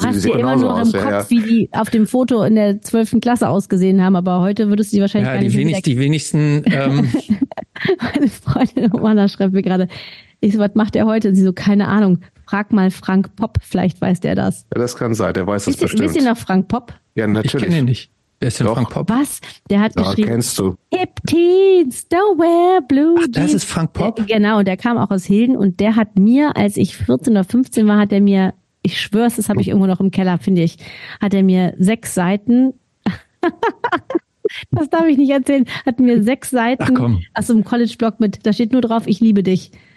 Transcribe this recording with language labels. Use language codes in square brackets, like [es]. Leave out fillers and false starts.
[de] hast du immer nur im Kopf, wie die auf dem Foto in der 12. Klasse ausgesehen haben. Aber heute würdest du die wahrscheinlich gar nicht mehr sehen. Die wenigsten... Meine Freundin Romana schreibt mir gerade, ich so, was macht er heute? Und sie so, keine Ahnung. Frag mal Frank Popp, vielleicht weiß der das. Ja, das kann sein, der weiß das bestimmt. Wisst ihr noch Frank Popp? Ja, natürlich. Ich kenne ihn nicht. Wer ist denn Frank Popp? Was? Der hat geschrieben. Kennst du. [en] Hip Teens, don't wear blue jeans. [de] Ach, das ist Frank Popp? Genau, und der kam auch aus Hilden und der hat mir, als ich 14 oder 15 war, hat er mir, ich schwör's, das habe ich irgendwo noch im Keller, finde ich, hat er mir 6 Seiten, das darf ich nicht erzählen, hat mir 6 Seiten aus so einem College-Blog mit, da steht nur drauf, ich liebe dich.